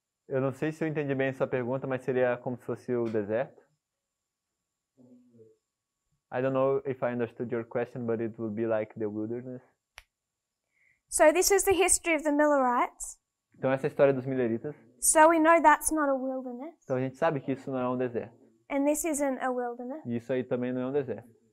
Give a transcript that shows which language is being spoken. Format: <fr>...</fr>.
<pt>Eu não sei se eu entendi bem a sua pergunta, mas seria como se fosse o deserto.</pt> <en>I don't know if I understood your question, but it would be like the wilderness. So this is the history of the Millerites.</en> <pt>Então essa é a história dos Milleritas.</pt> <en>So we know that's not a wilderness.</en> <pt>Então a gente sabe que isso não é um deserto.</pt> <en>And this isn't a wilderness.</en> <pt>E isso aí também não é um deserto.</pt>